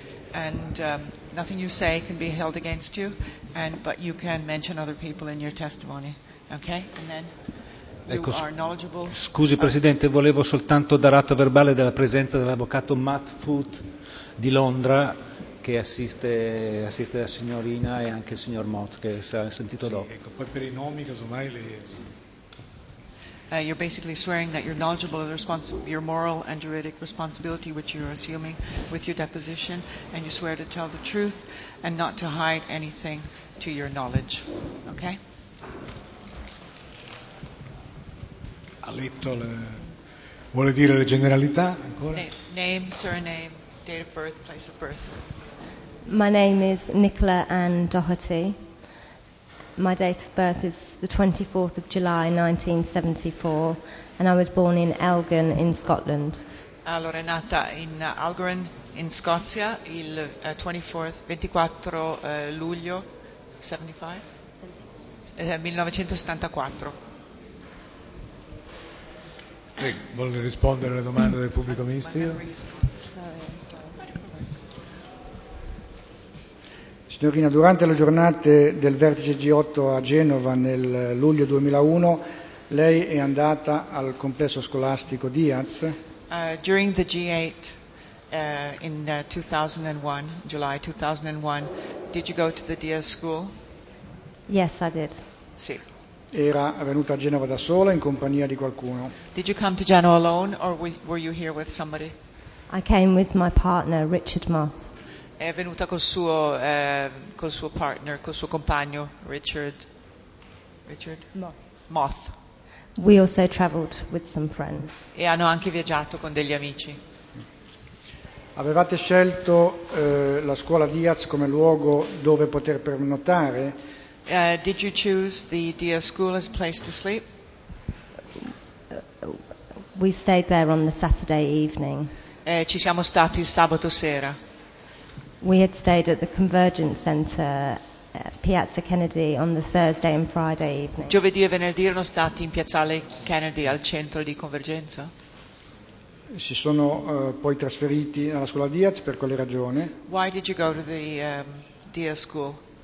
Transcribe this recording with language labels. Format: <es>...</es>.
<en>And nothing you say can be held against you, and but you can mention other people in your testimony. Okay? And then</en> <it>ecco,</it> <en>you are knowledgeable.</en> <it>Scusi Presidente, volevo soltanto dare atto verbale della presenza dell'avvocato Matt Foot di Londra, che assiste la signorina e anche il signor Mott, che si è sentito sì, dopo. Ecco, poi per i nomi casomai le.</it> <en>You're basically swearing that you're knowledgeable of your moral and juridic responsibility, which you're assuming with your deposition, and you swear to tell the truth and not to hide anything to your knowledge. Okay?</en> <it>Ha letto le. Vuole dire le generalità ancora?</it> <en>Name, surname, date of birth, place of birth. My name is Nicola Ann Doherty. My date of birth is the 24th of July 1974, and I was born in Elgin in Scotland.</en> <it>Allora, è nata in Elgin in Scozia il 24 luglio 1974. Vuole rispondere alle domande del pubblico ministero? Signorina, durante le giornate del vertice G8 a Genova nel luglio 2001, lei è andata al complesso scolastico Diaz?</it> <en>During the G8 in 2001, July 2001, did you go to the Diaz school? Yes, I did.</en> <it>Sì. Era venuta a Genova da sola in compagnia di qualcuno?</it> <en>Did you come to Genoa alone or were you here with somebody? I came with my partner Richard Moss.</en> <it>È venuta col suo partner, col suo compagno Richard Moth.</it> <en>We also traveled with some friends.</en> <it>E hanno anche viaggiato con degli amici. Avevate scelto la scuola Diaz come luogo dove poter pernottare?</it> <en>Did you choose the Diaz school as a place to sleep? We stayed there on the Saturday evening.</en> <it>Ci siamo stati il sabato sera.</it> <en>We had stayed at the Convergence Center, Piazza Kennedy, on the Thursday and Friday evening.</en> <it>Giovedì e venerdì erano stati in Piazzale Kennedy, al centro di Convergenza. Si sono poi trasferiti alla scuola Diaz, per quale ragione?</it> <en>Why did you go to the Diaz school?</en>